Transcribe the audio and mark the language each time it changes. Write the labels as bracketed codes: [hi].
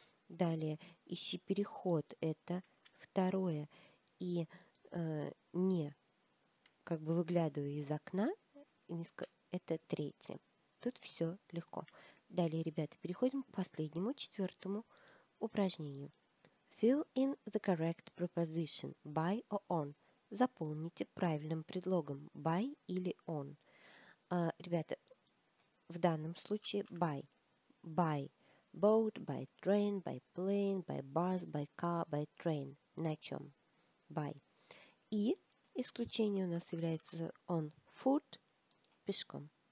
[ru] Далее, ищи переход, это второе. И не, как бы выглядывая из окна, это третье. Тут все легко. Далее, ребята, переходим к последнему, четвертому упражнению. [en] Fill in the correct preposition by or on. [ru] Заполните правильным предлогом by или on. Ребята, в данном случае by. [en] By boat, by train, by plane, by bus, by car, by train. [ru] На чем? [en] By. [ru] И исключение у нас является [en] on foot, [ru] пешком.